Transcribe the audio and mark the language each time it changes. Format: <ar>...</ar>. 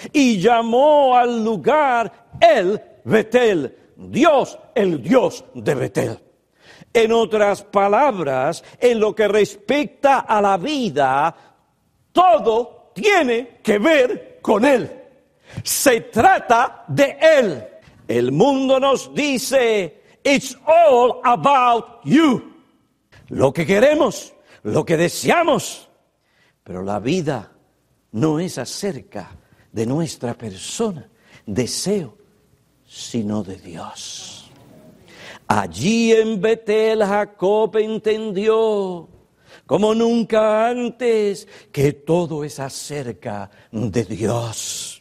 <es>Y llamó al lugar el Betel, Dios, el Dios de Betel. En otras palabras, en lo que respecta a la vida, todo tiene que ver con Él. Se trata de Él. El mundo nos dice,</es> <en>it's all about you.</en> <es>Lo que queremos, lo que deseamos. Pero la vida no es acerca de nuestra persona, deseo, sino de Dios. Allí en Betel Jacob entendió, como nunca antes, que todo es acerca de Dios.</es>